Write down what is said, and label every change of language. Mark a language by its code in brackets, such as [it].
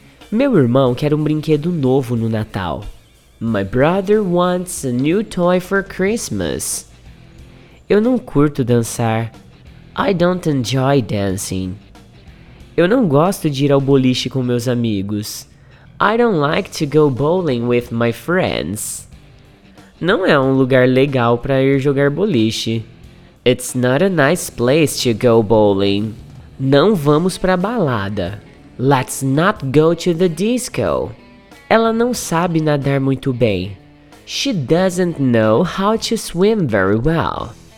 [pt] Meu irmão quer um brinquedo novo no Natal. [en] My brother wants a new toy for Christmas. [pt] Eu não curto dançar. [en] I don't enjoy dancing. [pt] Eu não gosto de ir ao boliche com meus amigos. [en] I don't like to go bowling with my friends. [pt] Não é um lugar legal para ir jogar boliche. [en] It's not a nice place to go bowling. [pt] Não vamos para a balada. [en] Let's not go to the disco. [pt] Ela não sabe nadar muito bem. [en] She doesn't know how to swim very well.